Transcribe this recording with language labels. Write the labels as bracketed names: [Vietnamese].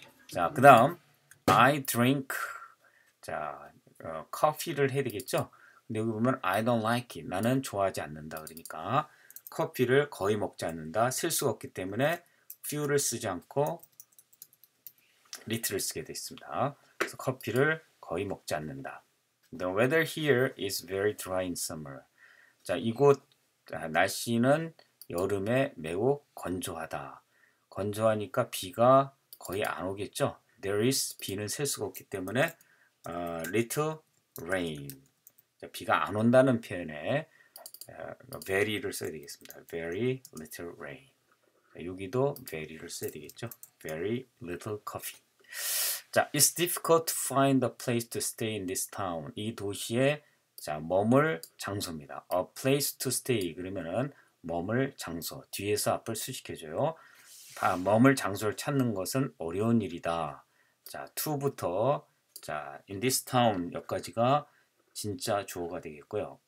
[Korean] 자, 그 다음 I drink 자 커피를 해야 되겠죠. 근데 여기 보면 [English] I don't like it. [Korean] 나는 좋아하지 않는다. 그러니까 커피를 거의 먹지 않는다. 실수가 없기 때문에 few를 쓰지 않고 little를 쓰게 됐습니다. 그래서 커피를 거의 먹지 않는다. [English] The weather here is very dry in summer. [Korean] 자, 이곳 날씨는 여름에 매우 건조하다. 건조하니까 비가 거의 안 오겠죠. There is 비는 셀 수가 없기 때문에 [English] little rain. [Korean] 자, 비가 안 온다는 표현에 very를 써야 되겠습니다. [English] Very little rain. [Korean] 자, 여기도 very를 써야 되겠죠. [English] Very little coffee. 자, it's difficult to find a place to stay in this town. [Korean] 이 도시에 자, 머물 장소입니다. [English] A place to stay [Korean] 그러면은 머물 장소. 뒤에서 앞을 수식해줘요. 아, 머물 장소를 찾는 것은 어려운 일이다. 자, to부터 자, in this town 여기까지가 진짜 주어가 되겠고요.